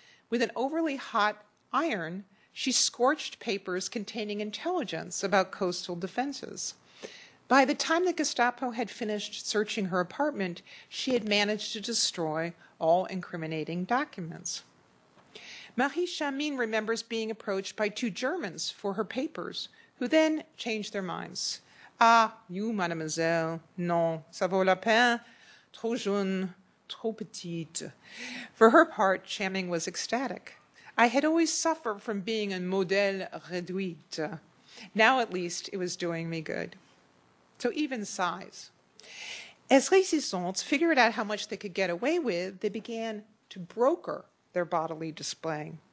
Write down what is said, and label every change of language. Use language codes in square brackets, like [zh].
[en] With an overly hot iron, she scorched papers containing intelligence about coastal defenses. By the time the Gestapo had finished searching her apartment, she had managed to destroy all incriminating documents. Marie Chamin remembers being approached by two Germans for her papers, who then changed their minds. [fr] Ah, you, mademoiselle, non, ça vaut la peine, trop jeune, trop petite. [en] For her part, Chamming was ecstatic. I had always suffered from being a [fr] modèle réduite. [en] Now, at least, it was doing me good. So even size. As Résistance figured out how much they could get away with, they began to broker their bodily display.